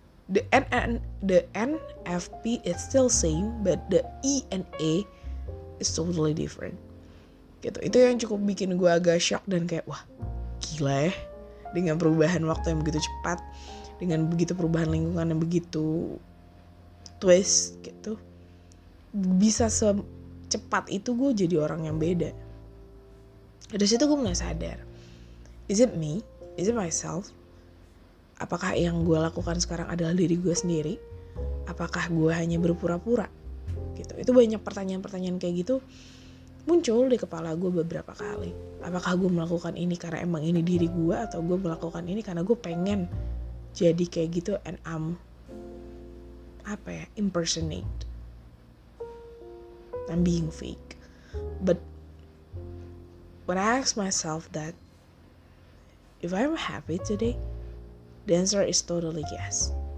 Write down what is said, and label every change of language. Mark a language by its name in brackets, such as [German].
[English] The NFP is still same, but the E and A is totally different. [Indonesian] Gitu. Itu yang cukup bikin gue agak shock dan kayak, wah gila ya. Dengan perubahan waktu yang begitu cepat, dengan begitu perubahan lingkungan yang begitu twist gitu, bisa secepat itu gue jadi orang yang beda. Dari situ gue mulai sadar, [English] is it me? Is it myself? [Indonesian] Apakah yang gue lakukan sekarang adalah diri gue sendiri? Apakah gue hanya berpura-pura? Gitu. Itu banyak pertanyaan-pertanyaan kayak gitu muncul di kepala gue beberapa kali. Apakah gue melakukan ini karena emang ini diri gue, atau gue melakukan ini karena gue pengen jadi kayak gitu and I'm apa ya, [English] impersonate, I'm being fake. But when I ask myself that, if I'm happy today, the answer is totally yes.